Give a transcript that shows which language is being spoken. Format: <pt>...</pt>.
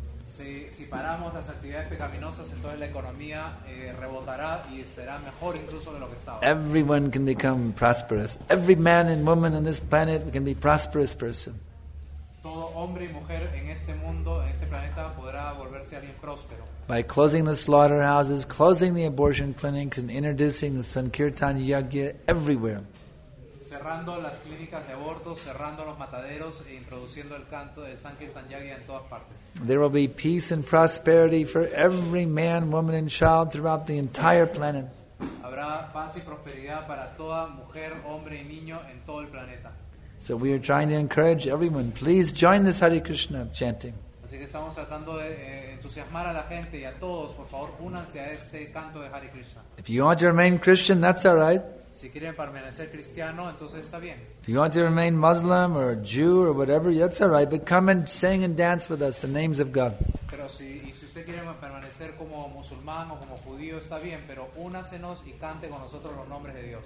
<es>Si paramos las actividades pecaminosas, entonces la economía rebotará y será mejor incluso de lo que estaba.</es> <en>Everyone can become prosperous. Every man and woman on this planet can be a prosperous person.</en> <es>Todo hombre y mujer en este mundo, en este planeta, podrá volverse alguien próspero.</es> <en>By closing the slaughterhouses, closing the abortion clinics, and introducing the Sankirtan Yajna everywhere.</en> <es>Cerrando las clínicas de abortos, cerrando los mataderos e introduciendo el canto del Sankirtan Yajna en todas partes.</es> <en>There will be peace and prosperity for every man, woman, and child throughout the entire planet.</en> <es>Habrá paz y prosperidad para toda mujer, hombre y niño en todo el planeta.</es> <en>So we are trying to encourage everyone, please join this Hare Krishna chanting.</en> <es>Así que estamos tratando de entusiasmar a la gente y a todos, por favor, únanse a este canto de Hare Krishna.</es> <en>If you want to remain Christian, that's all right.</en> <es>Si quieren permanecer cristiano, entonces está bien.</es> <en>If you want to remain Muslim or Jew or whatever, that's all right. But come and sing and dance with us the names of God.</en> <es>Pero si usted quiere permanecer como musulmán o como judío, está bien, pero únasenos y cante con nosotros los nombres de Dios.</es>